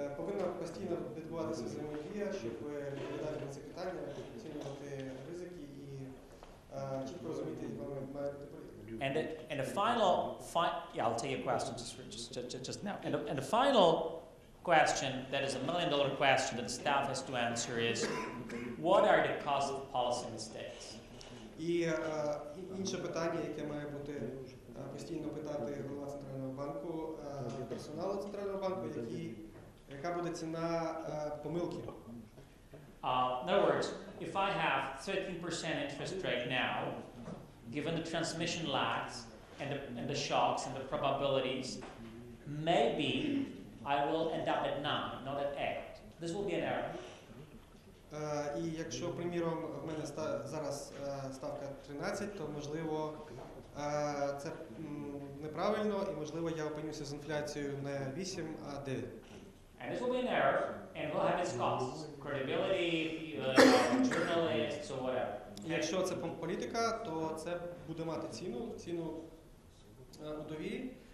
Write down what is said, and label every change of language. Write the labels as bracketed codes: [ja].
[uk] Повинна постійно відбуватися взаємодія, щоб відповідати на ці питання, оцінювати ризики і чітко розуміти, як ми маємо бути політикою. [en] I'll tell you a question just now. And the final question that is a million-dollar question that the staff has to answer is, what are the cost of policy mistakes? [uk] І інше питання, яке має бути постійно питати голова Центрального банку, персоналу Центрального банку, яка буде ціна помилки. [en] In other words, if I have 13% interest rate now, given the transmission lags and the shocks and the probabilities, maybe I will end up at 9, not at 8. This will be an error. [uk] І якщо, приміром, в мене зараз ставка 13, то, можливо, це неправильно, і, можливо, я опинюся з інфляцією не 8, а 9. [en] And this will be an error, and will have its costs. Credibility, journalists, or whatever. [uk] Якщо це політика, то це буде мати ціну у довірі,